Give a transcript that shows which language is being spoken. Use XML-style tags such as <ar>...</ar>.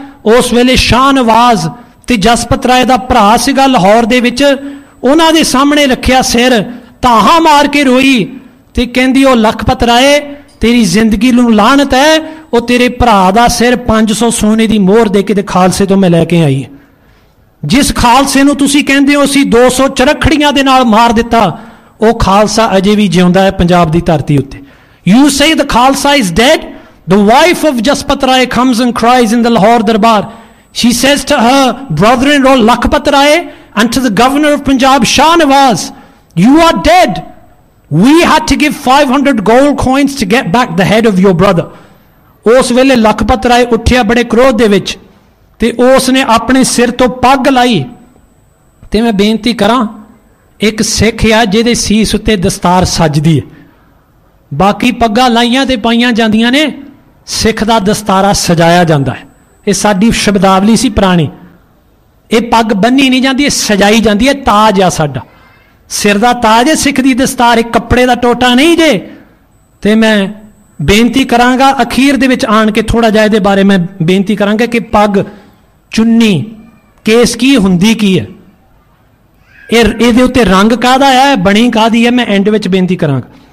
<pa>ਉਸ ਵੇਲੇ ਸ਼ਾਹਨਵਾਜ਼ ਤੇ ਜਸਪਤ ਰਾਏ ਦਾ ਭਰਾ ਸੀਗਾ ਲਾਹੌਰ ਦੇ ਵਿੱਚ, ਉਹਨਾਂ ਦੇ ਸਾਹਮਣੇ ਰੱਖਿਆ ਸਿਰ, ਤਾਹਾਂ ਮਾਰ ਕੇ ਰੋਈ ਤੇ ਕਹਿੰਦੀ, ਉਹ ਲਖਪਤ ਰਾਏ ਤੇਰੀ ਜ਼ਿੰਦਗੀ ਨੂੰ ਲਾਹਨਤ ਹੈ, ਉਹ ਤੇਰੇ ਭਰਾ ਦਾ ਸਿਰ 500 ਸੋਨੇ ਦੀ ਮੋਹਰ ਦੇ ਕੇ ਤੇ ਖਾਲਸੇ ਤੋਂ ਮੈਂ ਲੈ ਕੇ ਆਈ, ਜਿਸ ਖਾਲਸੇ ਨੂੰ ਤੁਸੀਂ ਕਹਿੰਦੇ ਹੋ ਅਸੀਂ 200 ਚਰਖੜੀਆਂ ਦੇ ਨਾਲ ਮਾਰ ਦਿੱਤਾ, ਉਹ ਖਾਲਸਾ ਅਜੇ ਵੀ ਜਿਉਂਦਾ ਹੈ ਪੰਜਾਬ ਦੀ ਧਰਤੀ ਉੱਤੇ.</pa> <en>You say the Khalsa is dead. The wife of Jaspat Rai comes and cries in the Lahore darbar. She says to her brother-in-law Lakhpat Rai and to the governor of Punjab, Shah Nawaz, you are dead. We had to give 500 gold coins to get back the head of your brother.</en> <pa>Os vele Lakhpat Rai uthya bade krodh de vich, te os ne apne sir to pag lai. Te main benti karan, ek sikh ya jede sis utte dastar sajdi hai, baki pagga laiyan te paiyan jandiyan ne, sikh da dastara sajaya janda hai. ਇਹ ਸਾਡੀ ਸ਼ਬਦਾਵਲੀ ਸੀ ਪੁਰਾਣੀ. ਇਹ ਪੱਗ ਬੰਨੀ ਨਹੀਂ ਜਾਂਦੀ, ਇਹ ਸਜਾਈ ਜਾਂਦੀ ਹੈ, ਤਾਜ ਆ ਸਾਡਾ, ਸਿਰ ਦਾ ਤਾਜ ਹੈ, ਸਿੱਖ ਦੀ ਦਸਤਾਰ, ਇਹ ਕੱਪੜੇ ਦਾ ਟੋਟਾ ਨਹੀਂ ਜੇ। ਅਤੇ ਮੈਂ ਬੇਨਤੀ ਕਰਾਂਗਾ ਅਖੀਰ ਦੇ ਵਿੱਚ ਆਣ ਕੇ ਥੋੜ੍ਹਾ ਜਿਹਾ ਇਹਦੇ ਬਾਰੇ ਮੈਂ ਬੇਨਤੀ ਕਰਾਂਗਾ ਕਿ ਪੱਗ ਚੁੰਨੀ ਕੇਸ ਕੀ ਹੁੰਦੀ ਕੀ ਹੈ, ਇਹ ਇਹਦੇ ਉੱਤੇ ਰੰਗ ਕਾਹਦਾ ਆਇਆ, ਬਣੀ ਕਾਹਦੀ ਹੈ, ਮੈਂ ਐਂਡ ਵਿੱਚ ਬੇਨਤੀ ਕਰਾਂਗਾ।</pa>